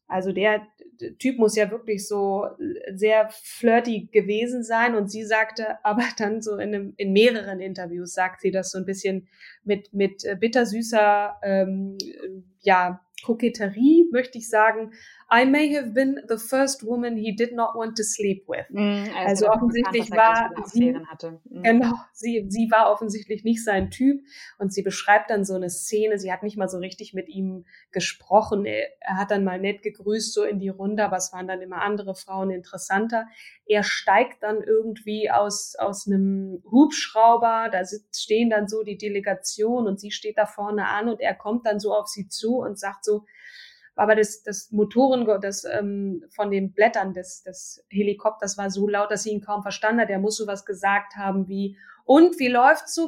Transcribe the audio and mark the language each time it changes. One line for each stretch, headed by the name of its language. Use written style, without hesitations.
German: Also der Typ muss ja wirklich so sehr flirty gewesen sein. Und sie sagte aber dann so in mehreren Interviews, sagt sie das so ein bisschen mit bittersüßer ja, Koketterie, möchte ich sagen.
English: I may have been the first woman he did not want to sleep with.
German: Also offensichtlich war sie, genau, sie war offensichtlich nicht sein Typ. Und sie beschreibt dann so eine Szene, sie hat nicht mal so richtig mit ihm gesprochen. Er hat dann mal nett gegrüßt so in die Runde, aber es waren dann immer andere Frauen interessanter. Er steigt dann irgendwie aus einem Hubschrauber, da stehen dann so die Delegation und sie steht da vorne an und er kommt dann so auf sie zu und sagt so, aber das Motoren, das von den Blättern des Helikopters war so laut, dass sie ihn kaum verstanden hat. Er muss sowas gesagt haben wie, und wie läuft's so?